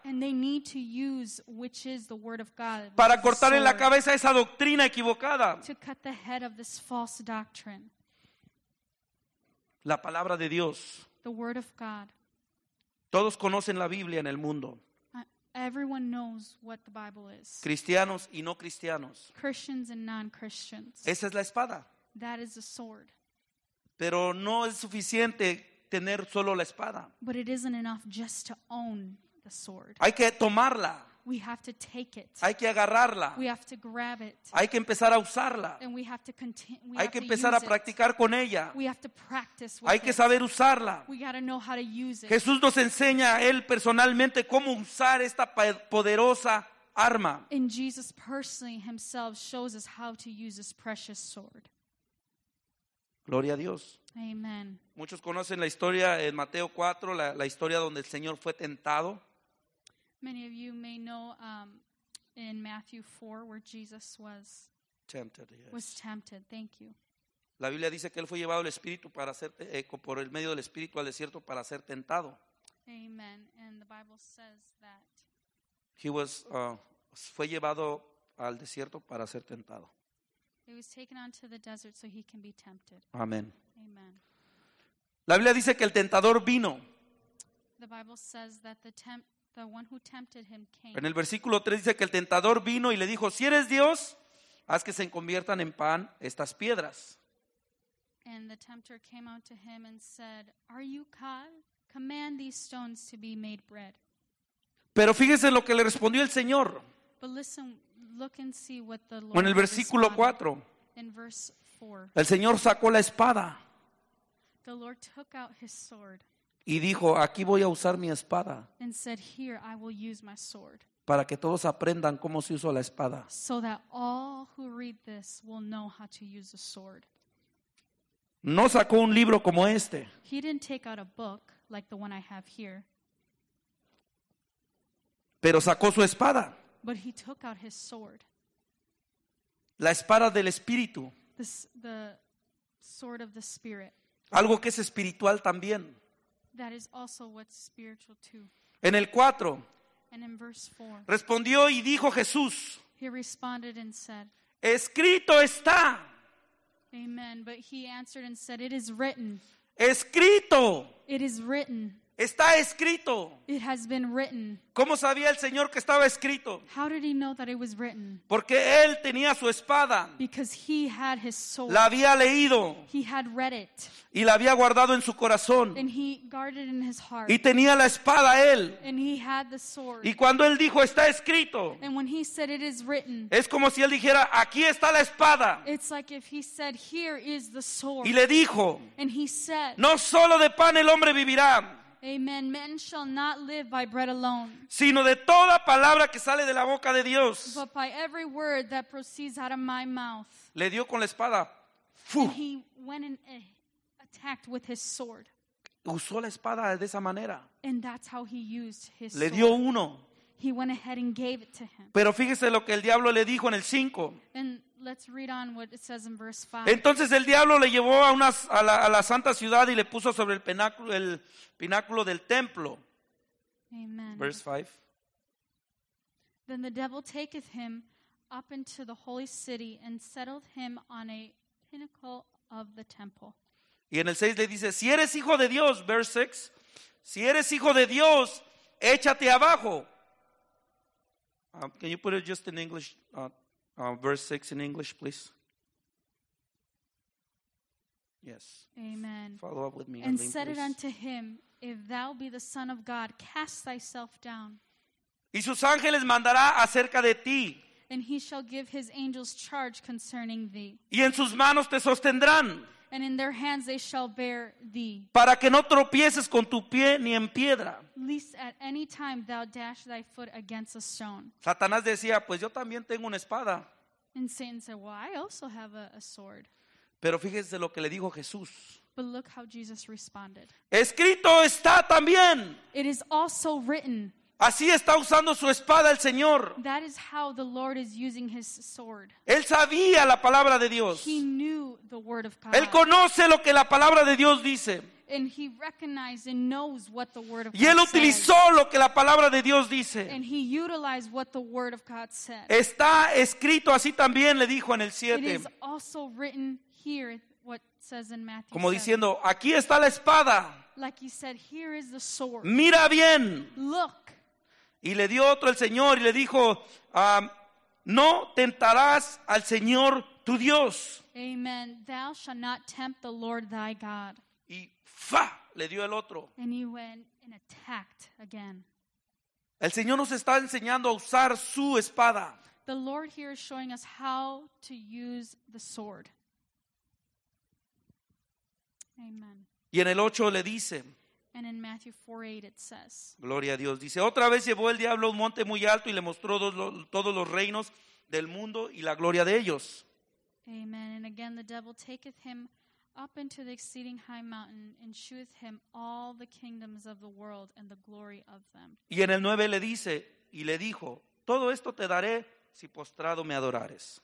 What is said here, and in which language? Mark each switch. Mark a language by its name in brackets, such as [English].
[English] And they need to use which is the word of God. [Spanish] Para cortar en la cabeza esa doctrina equivocada. [English] To cut the head of this false doctrine. [Spanish] La palabra de Dios. [English] The word of God. [Spanish] Todos conocen la Biblia en el mundo. [English] Everyone knows what the Bible is. [Spanish] Cristianos y no cristianos. [English] Christians and non-Christians. [Spanish] Esa es la espada. [English] That is a sword. [Spanish] Pero no es suficiente tener solo la espada. [English] But it isn't enough just to own the sword. [Spanish] Hay que tomarla. [English] We have to take it. [Spanish] Hay que agarrarla. [English] We have to grab it. [Spanish] Hay que empezar a usarla. [English] And we have to continue. [Spanish] Hay que empezar a practicar con ella. [English] We have to practice with [Spanish] it. Hay que saber usarla. [English] We got to know how to use it. [Spanish] Jesús nos enseña a él personalmente cómo usar esta poderosa arma. [English] And Jesus personally himself shows us how to use this precious sword. [Spanish] Gloria a Dios. [English] Amen. [Spanish] Muchos conocen la historia en Mateo 4, la historia donde el Señor fue tentado. [English] Many of you may know in Matthew 4 where Jesus was tempted. Yes. Was tempted. Thank you. [Spanish] La Biblia dice que él fue llevado el espíritu para ser por el medio del espíritu al desierto para ser tentado. [English] Amen. And the Bible says that he was [Spanish] fue llevado al desierto para ser tentado. [English] He was taken onto the desert so he can be tempted. Amen. Amen. [Spanish] La Biblia dice que el tentador vino. [English] The Bible says that the one who tempted him came. [Spanish] En el versículo 3 dice que el tentador vino y le dijo, si eres Dios, haz que se conviertan en pan estas piedras. [English] And the tempter came out to him and said, are you God? Command these stones to be made bread. [Spanish] Pero fíjese lo que le respondió el Señor. [English] But listen, look and see what the Lord. [Spanish] En el versículo 4. [English] In verse 4. [Spanish] El Señor sacó la espada. [English] The Lord took out his sword. [Spanish] Y dijo, aquí voy a usar mi espada. [English] And said, here I will use my sword. [Spanish] Para que todos aprendan cómo se usa la espada. [English] So that all who read this will know how to use a sword. [Spanish] No sacó un libro como este. [English] He didn't take out a book like the one I have here. [Spanish] Pero sacó su espada. [English] But he took out his sword. [Spanish] La espada del espíritu. [English] The sword of the spirit. [Spanish] Algo que es espiritual también. [English] That is also what's spiritual too. [Spanish] En el 4. [English] And in verse 4. [Spanish] Respondió y dijo Jesús. [English] He responded and said. [Spanish] Escrito está. [English] Amen. But he answered and said, it is written. [Spanish] Escrito. [English] It is written. [Spanish] Está escrito. [English] It has been written. [Spanish] ¿Cómo sabía el Señor que estaba escrito? [English] How did he know that it was written? [Spanish] Porque él tenía su espada. [English] Because he had his sword. [Spanish] La había leído. [English] He had read it. [Spanish] Y la había guardado en su corazón. [English] And he guarded it in his heart. [Spanish] Y tenía la espada él. [English] And he had the sword. [Spanish] Y cuando él dijo, está escrito. [English] And when he said, it is written. [Spanish] Es como si él dijera, aquí está la espada. [English] It's like if he said, here is the sword. [Spanish] Y le dijo, [English] and he said, [Spanish] no solo de pan el hombre vivirá. [English] Amen. Men shall not live by bread alone. [Spanish] Sino de toda palabra que sale de la boca de Dios. [English] But by every word that proceeds out of my mouth. [Spanish] Le dio con la espada. ¡Fu! [English] And he went and attacked with his sword. [Spanish] Usó la espada de esa manera. [English] And that's how he used his [Spanish] sword. Le dio uno. [English] He went ahead and gave it to him. [Spanish] Pero fíjese lo que el diablo le dijo en el 5. [English] And let's read on what it says in verse 5. [Spanish] Entonces el diablo le llevó a la santa ciudad y le puso sobre el pináculo del templo. [English] Amen. Verse 5. Then the devil taketh him up into the holy city and settled him on a pinnacle of the temple. Y en el 6 le dice, si eres hijo de Dios, verse 6, si eres hijo de Dios, échate abajo. Can you put it just in English, verse 6 in English, please? Yes. Amen. Follow up with me. And said it unto him, if thou be the Son of God, cast thyself down. [Spanish] Y sus ángeles mandará acerca de ti. [English] And he shall give his angels charge concerning thee. [Spanish] Y en sus manos te sostendrán. [English] And in their hands they shall bear thee. [Spanish] Para que no tropieces con tu pie ni en piedra. [English] Lest at any time thou dash thy foot against a stone. [Spanish] Satanás decía, pues yo también tengo una espada. [English] And Satan said, well, I also have a sword. [Spanish] Pero fíjese lo que le dijo Jesús. [English] But look how Jesus responded. [Spanish] Escrito está también. [English] It is also written. [Spanish] Así está usando su espada el Señor. [English] That is how the Lord is using his sword. [Spanish] Él sabía la palabra de Dios. [English] He knew the word of God. [Spanish] Él conoce lo que la palabra de Dios dice. [English] And he recognized and knows what the word of God [Spanish] says. Y él utilizó lo que la palabra de Dios dice. [English] And he utilized what the word of God said. [Spanish] Está escrito así también, le dijo en el 7. [English] It is also written here, what says in Matthew 7. [Spanish] Como diciendo, aquí está la espada. [English] Like he said, here is the sword. [Spanish] Mira bien. [English] Look. [Spanish] Y le dio otro el Señor y le dijo, no tentarás al Señor tu Dios. [English] Amen. Thou shalt not tempt the Lord thy God. [Spanish] Y fa, le dio el otro. [English] And he went and attacked again. [Spanish] El Señor nos está enseñando a usar su espada. [English] The Lord here is showing us how to use the sword. Amen. [Spanish] Y en el 8 le dice, [English] and in Matthew 4:8 it says, [Spanish] gloria a Dios, dice, otra vez llevó el diablo a un monte muy alto y le mostró todos los reinos del mundo y la gloria de ellos. [English] Amen. And again the devil taketh him up into the exceeding high mountain and sheweth him all the kingdoms of the world and the glory of them. [Spanish] Y en el 9 le dice y le dijo, todo esto te daré si postrado me adorares.